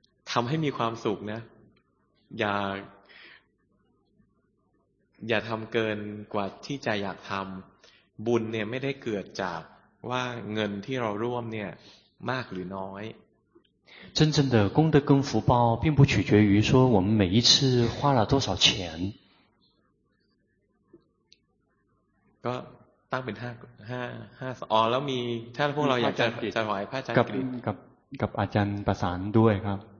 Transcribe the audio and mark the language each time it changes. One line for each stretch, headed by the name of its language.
Thai: ทำให้มีความสุขนะอย่าทำเกินกว่าที่จะอยากทำบุญเนี่ยไม่ได้เกิดจากว่าเงินที่เราร่วมเนี่ยมากหรือน้อย
Chinese: 真正的功德跟福报并不取决于说我们每一次花了多少钱
Thai: ก็ตั้งเป็น5 5 5อ๋อแล้วมีถ้าพวกเราอยากจะถวายพระอาจารย์ กับอาจารย์ประสานด้วยครับ